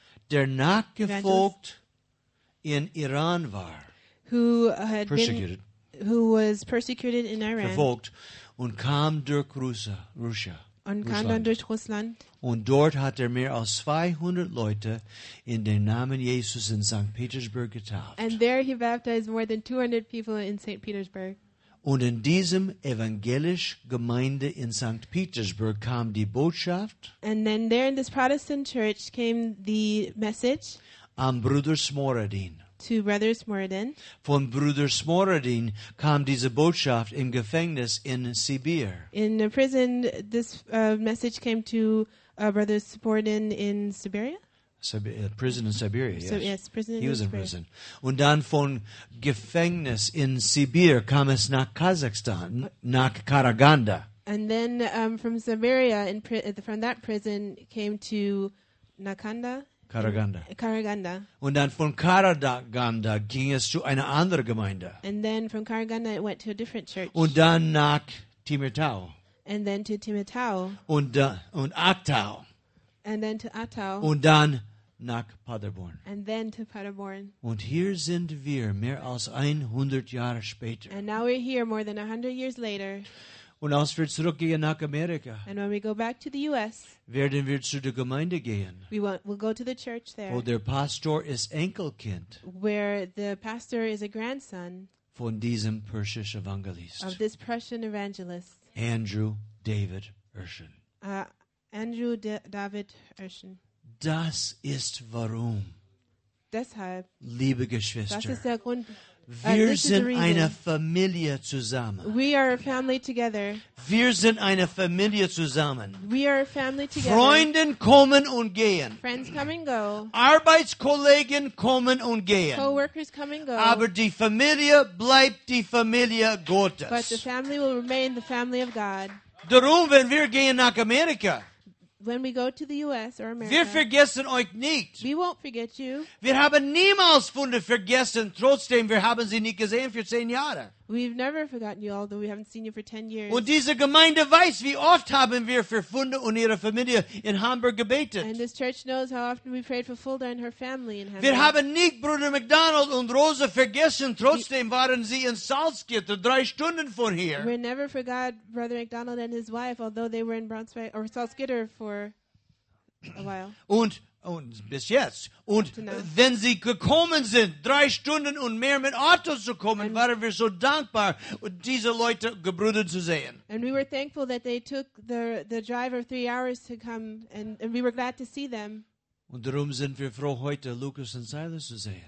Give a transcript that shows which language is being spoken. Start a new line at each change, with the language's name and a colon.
German: Der nachgefolgt in Iran war.
English: Who was persecuted in Iran.
German: Verfolgt und kam durch Russland. Und dort hat mehr als 200 Leute in den Namen Jesus in St. Petersburg getauft.
English: And there he baptized more than 200 people in St. Petersburg.
German: Und in diesem evangelischen Gemeinde in St. Petersburg kam die Botschaft.
English: And then there in this Protestant church came the message.
German: Am Bruder Smoradin.
English: to Brother Smoradin.
German: Von Bruder Smoradin kam diese Botschaft im Gefängnis in Sibir.
English: In the prison, this message came to Brother Smoradin in Siberia. Prison in Siberia, yes. So, yes, prison he was in Siberia. Prison.
German: Und dann von Gefängnis in Sibir kam es nach Kasachstan, nach Karaganda.
English: And then from Siberia, from that prison, came to Nakanda? Karaganda. Karaganda.
German: Und dann von Karaganda ging es zu einer anderen Gemeinde.
English: And then from Karaganda it went to a different church.
German: Und dann nach Timirtau.
English: And then to Timirtau.
German: Und Aktau.
English: And then to Atau.
German: Und dann nach Paderborn.
English: And then to Paderborn.
German: Und hier sind wir mehr als 100 Jahre später.
English: And now we're here more than 100 years later.
German: Und als wir zurückgehen nach Amerika,
English: and when we go back to the U.S.,
German: werden wir zu der Gemeinde gehen,
English: we'll go to the church there,
German: wo der Pastor ist Enkelkind,
English: where the pastor is a grandson
German: von diesem Persisch Evangelist,
English: of this Persian evangelist,
German: Andrew David Urshan.
English: Andrew David Urshan.
German: Das ist warum, deshalb, liebe Geschwister, das ist der Grund, wir sind eine Familie zusammen.
English: We are a family together.
German: Wir sind eine Familie zusammen.
English: We are a family together.
German: Freunde kommen und gehen.
English: Friends come and go.
German: Arbeitskollegen kommen und gehen.
English: Co-workers come and go.
German: Aber die Familie bleibt die Familie Gottes.
English: But the family will remain the family of God.
German: Darum, wenn wir gehen nach Amerika,
English: when we go to the U.S. or America,
German: wir vergessen euch nicht.
English: We won't forget you.
German: Wir haben niemals von dir vergessen, trotzdem wir haben sie nicht gesehen für 10 Jahre.
English: We've never forgotten you, although we haven't seen you for 10 years.
German: Und diese Gemeinde weiß, wie oft haben wir für Funde und ihre Familie in Hamburg gebetet.
English: And this church knows how often we prayed for Fulda and her family in Hamburg.
German: Wir haben nicht Bruder McDonald und Rosa vergessen, trotzdem waren sie in Salzgitter, 3 Stunden von hier.
English: We never forgot Brother McDonald and his wife, although they were in Braunschweig or Salzgitter for a while.
German: Und bis jetzt. Und wenn sie gekommen sind, 3 Stunden und mehr mit Auto zu kommen, and waren wir so dankbar, diese Leute gebrüdert zu sehen.
English: And we were thankful that they took the drive of 3 hours to come, and we were glad to see them.
German: Und darum sind wir froh, heute Lucas und Silas zu sehen.